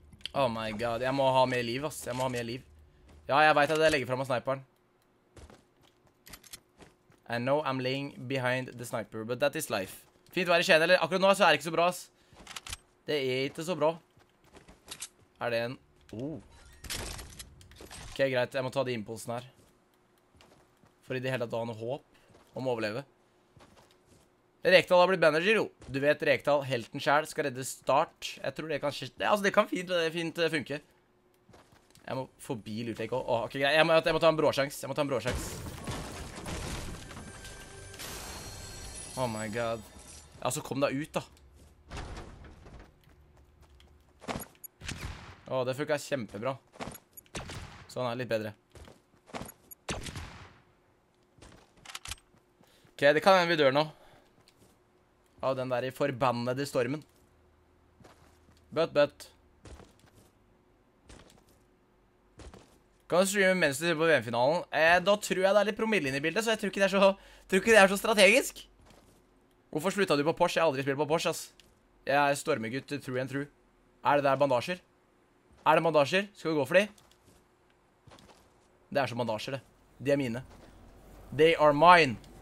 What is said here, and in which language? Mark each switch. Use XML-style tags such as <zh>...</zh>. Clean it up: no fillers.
<en>Oh my god,</en> <no>jeg må ha mer liv, ass. Jeg må ha mer liv. Ja, jeg vet at jeg legger frem av sniperen.</no> <en>I know I'm laying behind the sniper, but that is life.</en> <no>Fint å være i skjene, eller? Akkurat nå er det ikke så bra, ass. Det er ikke så bra. Er det en? Ok, greit. Jeg må ta de impulsene her. For i det hele tatt har han håp om å overleve. Rektal har blitt manager, jo. Du vet, Rektal, helten selv, skal redde start. Jeg tror det kan skje... Altså, det kan fint funke. Jeg må forbi lurtek også. Ok, greit. Jeg må ta en bråsjans. Jeg må ta en bråsjans. Oh my god. Altså, kom da ut, da. Åh, det funket kjempebra. Sånn er det litt bedre. Ok, det kan hende vi dør nå. Av den der forbannede stormen. Bøtt. Kan du streame mens du ser på VM-finalen? Da tror jeg det er litt promille inn i bildet, så jeg tror ikke det er så strategisk. Hvorfor slutta du på Porsche? Jeg har aldri spilt på Porsche, ass. Jeg er stormegutt,</no> <en>true and true.</en> <no>Er det der bandasjer? Er det bandasjer? Skal vi gå for de? Det er så bandasjer, det. De er mine.</no> <en>They are mine!</en>